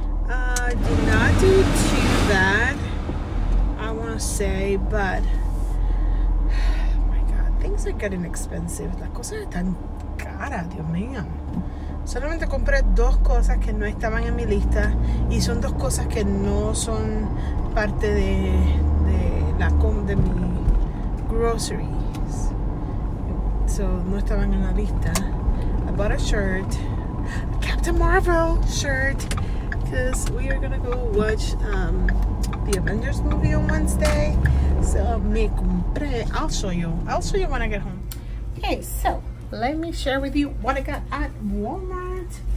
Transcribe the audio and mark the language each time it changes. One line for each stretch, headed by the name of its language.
English: Do not do too bad, I want to say, but oh my god, things are getting expensive.
Spanish: Las cosas están caras, Dios mío. Solamente compré dos cosas que no estaban en mi lista y son dos cosas que no son parte de mi groceries. So, no estaban en la lista.
English: I bought a shirt, a Captain Marvel shirt, because we are going to go watch the Avengers movie on Wednesday. So, me compré. I'll show you when I get home. Okay, so let me share with you what I got at Walmart.